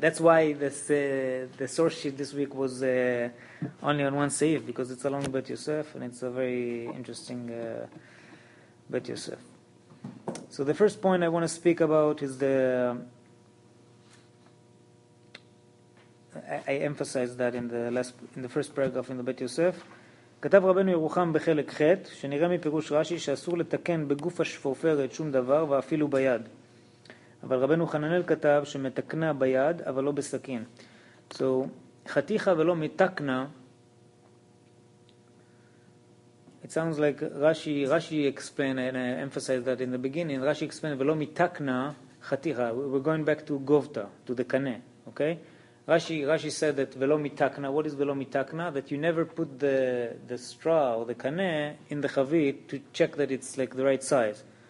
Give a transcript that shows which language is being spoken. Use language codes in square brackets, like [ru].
[en] That's why this, the source sheet this week was only on one Seif, because it's a long Bet Yosef, and it's a very interesting Bet Yosef. So the first point I want to speak about is the I emphasized that in the first paragraph in the Bet Yosef. [he] כתב רבנו ירוחם בחלק ח' שנראה מפירוש רש"י שאסור לתקן בגוף השפופרת שום דבר ואפילו ביד. אבל רבנו חננאל כתב שמתקנה ביד אבל לא בסכין. So, חתיכה ולא מתקנה. [en] It sounds like רש"י explained, and I emphasized that in the beginning, רש"י explained [he] ולא מתקנה חתיכה. [en] We're going back to govta, to the קנה, okay? Rashi said that [he] velo mitakna. [en] What is velo mitakna? That you never put the straw or the kane in the chavit to check that it's like the right size.